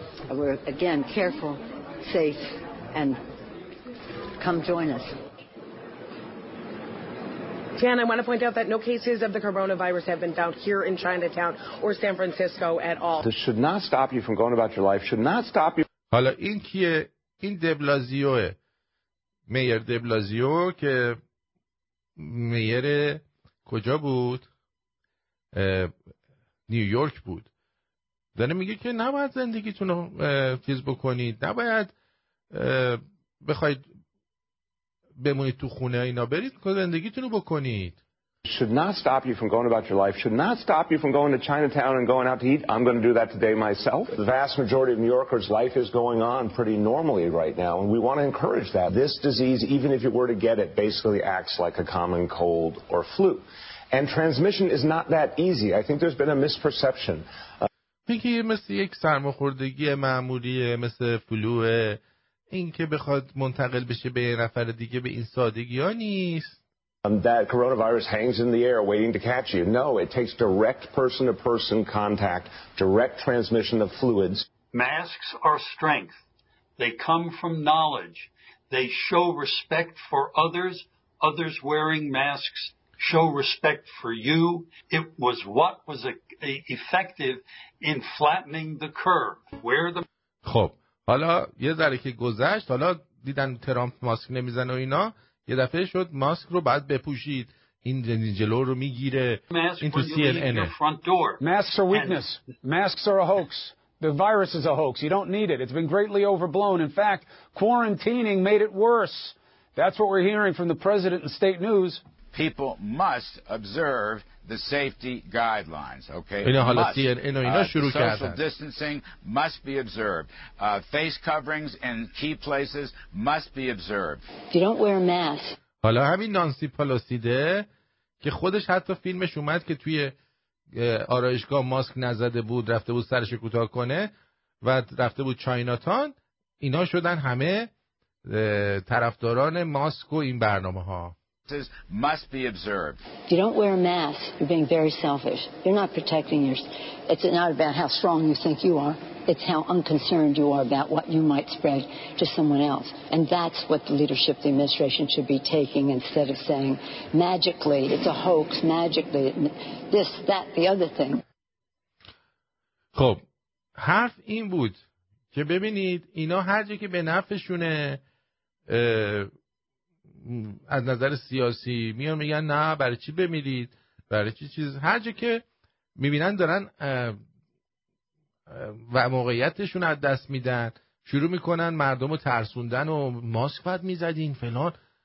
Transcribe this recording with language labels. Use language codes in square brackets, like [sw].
[en] We're again careful, safe, and come join us. Tan, I want to point out that no cases of the coronavirus have been found here in Chinatown or San Francisco at all. This should not stop you from going about your life. Should not stop you. [fa] حالا این کیه؟ این دبلازیوه. میر دبلازیو که میر کجا بود؟ نیویورک بود. داره میگه که نباید زندگیتون رو فیز بکنید. نباید بخواید بمونید تو خونه اینا، برید زندگیتون رو بکنید. [en] Should not stop you from going about your life. Should not stop you from going to Chinatown and going out to eat. I'm going to do that today myself. The vast majority of New Yorkers life is going on pretty normally right now and we want to encourage that. This disease, even if you were to get it, basically acts like a common cold or flu. And transmission is not that easy. I think there's been a misperception. [fa] میگه مثل یک سرماخوردگی معمولیه، مثل فلوه، این که بخواد منتقل بشه به یه نفر دیگه به این سادگی ها نیست. [en] That coronavirus hangs in the air waiting to catch you. No, it takes direct person-to-person contact, direct transmission of fluids. Masks are strength. They come from knowledge. They show respect for others. Others wearing masks show respect for you. It was what was effective in flattening the curve. [fa] خب. حالا یه ذره که گذشت، حالا دیدن ترامپ ماسک نمیزنه و اینا، یه دفعه شد ماسک رو بعد بپوشید، این جلو رو میگیره. این تو سی ان ان [en] Mask for weakness, mask for a hoax, the virus is a hoax, you don't need it, it's been greatly overblown, in fact quarantining made it worse. That's what we're hearing from the president and state news. People must observe the safety guidelines, okay? Social distancing must be observed. Face coverings in key places must be observed. If you don't wear a mask. [fa] حالا همین نانسی پلوسی ده که خودش حتی فیلمش اومد که توی آرایشگاه ماسک نزده بود، رفته بود سرش کوتاه کنه و رفته بود چایناتان، اینا شدن همه طرفداران ماسک و این برنامه‌ها. [en] Must be observed. If you don't wear a mask, you're being very selfish. You're not protecting yourself. It's not about how strong you think you are. It's how unconcerned you are about what you might spread to someone else. And that's what the leadership of the administration should be taking instead of saying, magically, it's a hoax, magically, this, that, the other thing. [fa] خب، حرف این بود که ببینید اینا هر جا که به نفعشونه از نظر سیاسی میان میگن نه برای چی بمیرید، برای چی چیز، هر جا که میبینن دارن و موقعیتشون از دست میدن شروع میکنن مردم رو ترسوندن و ماسک باید میزدین فلان.